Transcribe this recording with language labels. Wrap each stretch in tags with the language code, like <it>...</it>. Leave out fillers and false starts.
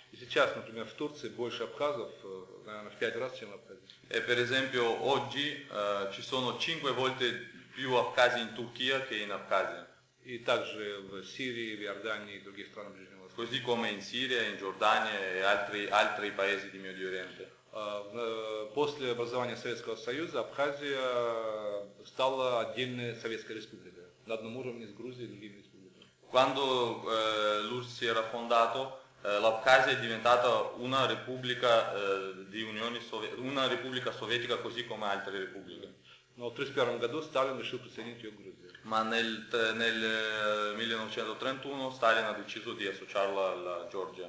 <ru>И сейчас, например, в Турции больше абхазов, наверное, в 5 раз, чем абхазов.</ru> <it>E per esempio oggi ci sono 5 volte più абхази in Turchia che in Abkhazia.</it> <ru>И также в Сирии, в Иордании и других странах Ближнего Востока.</ru> <it>Così come in Siria, in Giordania e altri paesi di Medio Oriente.</it> <ru>После образования Советского Союза Абхазия стала отдельной советской республикой, на одном уровне с Грузией и другими республиками.</ru> <it>Quando l'URSS si era fondato, l'Abkhazia è diventata una repubblica di Unione Sovietica, una repubblica sovietica così come altre repubbliche. No, nel</it> <ru>31 году Сталин решил присоединить ее к Грузии.</ru> <it>Ma nel 1931 Сталин ha deciso di associarla alla Georgia.</it>